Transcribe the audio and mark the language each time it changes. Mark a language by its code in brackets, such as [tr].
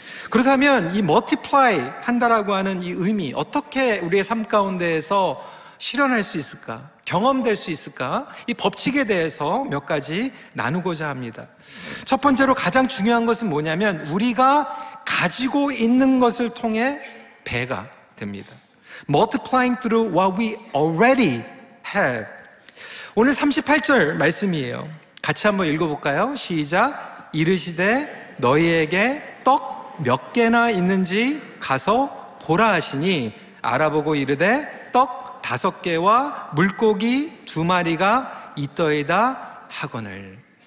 [ko] 그렇다면 이 multiply 한다라고 하는 이 의미, 어떻게 우리의 삶 가운데에서 실현할 수 있을까? 경험될 수 있을까? 이 법칙에 대해서 몇 가지 나누고자 합니다. 첫 번째로 가장 중요한 것은 뭐냐면 우리가 가지고 있는 것을 통해 배가 됩니다. [en] Multiplying through what we already have. [ko] 오늘 38절 말씀이에요. 같이 한번 읽어볼까요? 시작! 이르시되 너희에게 떡 몇 개나 있는지 가서 보라 하시니 알아보고 이르되 떡 다섯 개와 물고기 두 마리가 있더이다 하거늘.